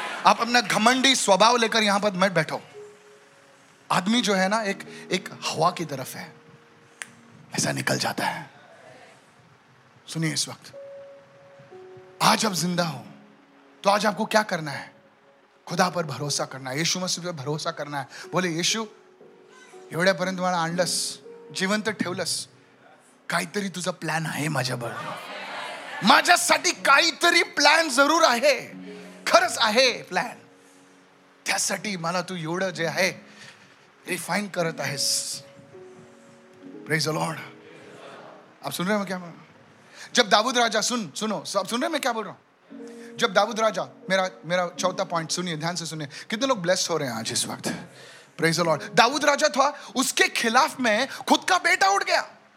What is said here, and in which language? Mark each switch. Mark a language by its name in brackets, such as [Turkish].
[Hindi] आप अपना घमंडी स्वभाव लेकर यहां पर मत बैठो. आदमी जो है ना एक एक हवा की तरफ है, ऐसा निकल जाता है. सुनिए इस वक्त, आज आप जिंदा हो तो आज आपको क्या करना है? खुदा पर भरोसा करना है, यीशु मसीह पर भरोसा करना है. [Marathi] बोले यीशु, एवढ्यापर्यंत मला आणलंस, जिवंत ठेवलंस, काहीतरी तुझा प्लॅन आहे माझ्यावर, माझ्यासाठी काहीतरी प्लॅन जरूर आहे, खरंच आहे प्लॅन. त्यासाठी मला तू एवढं जे आहे रिफाईन करत आहेस. [English] Praise the Lord. [Hindi] आप सुन रहे हो क्या? जब दाऊद राजा, सुनो मैं क्या बोल रहा हूं. जब दाऊद राजा, मेरा चौथा पॉइंट सुनिए, ध्यान से सुनिए. कितने लोग ब्लेस हो रहे हैं आज इस वक्त? [English] Praise the lord. [Hindi] दाऊद राजा था, उसके खिलाफ में खुद का बेटा उठ गया.